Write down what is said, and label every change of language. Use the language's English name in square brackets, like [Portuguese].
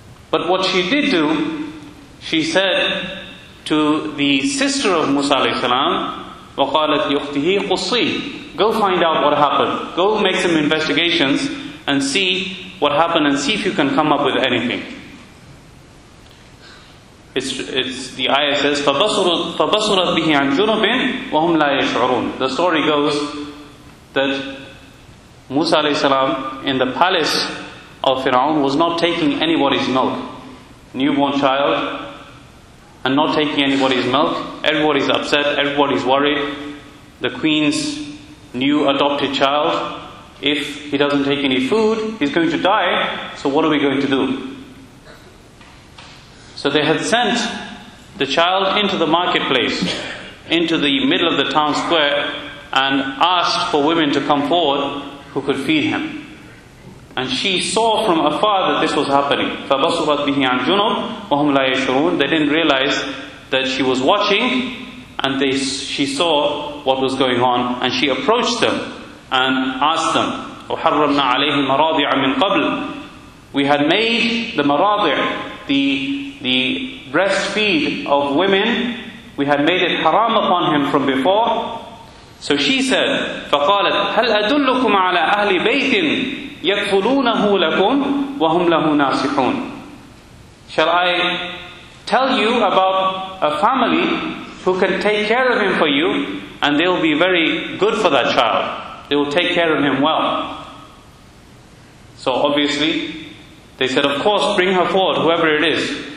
[English] But what she did do, she said to the sister of Musa alayhi salam, [Arabic] وَقَالَتْ يُخْتِهِ قُصِّي, [English] go find out what happened. Go make some investigations and see what happened and see if you can come up with anything. The ayah says, [Arabic] فَبَصُرَتْ بِهِ عَنْ جُنُبٍ وَهُمْ لَا يَشْعُرُونَ. [English] The story goes that Musa alayhi salam in the palace of Fir'aun was not taking anybody's milk. Newborn child, and not taking anybody's milk. Everybody's upset, everybody's worried. The queen's new adopted child, if he doesn't take any food, he's going to die. So what are we going to do? So they had sent the child into the marketplace, into the middle of the town square, and asked for women to come forward who could feed him. And she saw from afar that this was happening. [Arabic] فَبَصُرَتْ بِهِ عَنْ جُنُوبٍ وَهُمْ لَا يَشْعُرُونَ. [English] They didn't realize that she was watching, and she saw what was going on, and she approached them and asked them, [Arabic] وَحَرَّمْنَا عَلَيْهِ مَرَاضِعَ مِنْ قَبْلِ. [English] We had made the maradi', the breastfeed of women, we had made it haram upon him from before. So she said, [Arabic] فَقَالَتْ هَلْ أَدُلُّكُمْ عَلَىٰ أَهْلِ بَيْتٍ يَكْفُلُونَهُ لَكُمْ وَهُمْ لَهُ نَاسِحُونَ. [English] Shall I tell you about a family who can take care of him for you, and they will be very good for that child? They will take care of him well. So obviously, they said, of course, bring her forward, whoever it is.